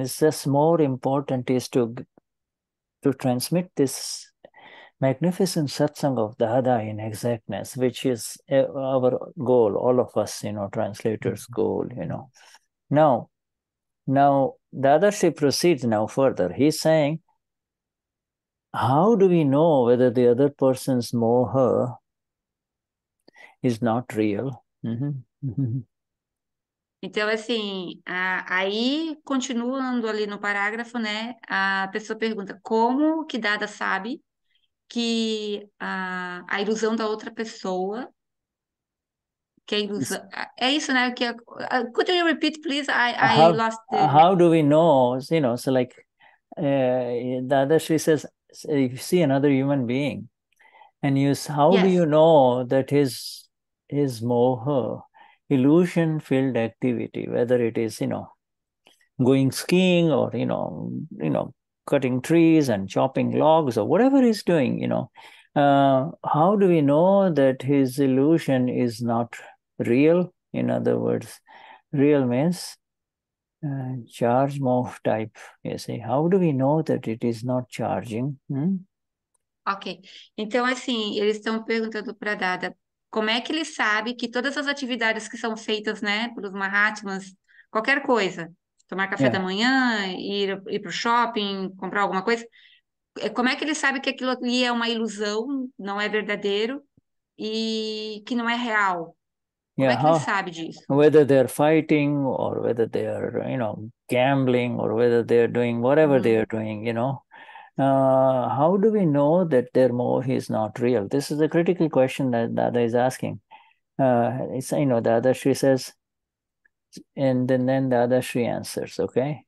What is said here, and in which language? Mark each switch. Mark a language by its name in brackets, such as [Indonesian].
[English] It's just more important is to transmit this magnificent satsang of Dada in exactness, which is our goal, all of us, translators' goal, Now, Dadashi proceeds now further. He's saying, how do we know whether the other person's moha is not real? [Portuguese] Então, assim, aí continuando ali no parágrafo, né? A pessoa pergunta como que Dada sabe que a ilusão da outra pessoa. Que ilusão. É isso, né? [English] Could you repeat, please? I lost the. How do we know? So like Dadashri says, if you see another human being, and you how do you Yes. know that his moha, illusion filled activity, whether it is going skiing or, you know, cutting trees and chopping logs or whatever he's doing, you know, how do we know that his illusion is not real? In other words, real means charge morph type, you see. How do we know that it is not charging? Ok. [Portuguese] Então, assim, eles estão perguntando para Dada como é que ele sabe que todas as atividades que são feitas, né, pelos Mahatmas, qualquer coisa, tomar café da manhã, ir para o shopping, comprar alguma coisa, como é que ele sabe que aquilo ali é uma ilusão, não é verdadeiro e que não é real? Como é que ele sabe disso? [English] Whether they're fighting or whether they're, you know, gambling or whether they're doing whatever they're doing, you know. How do we know that their morph is not real? This is a critical question that Dada is asking. Dadashri says, and then Dadashri answers, okay?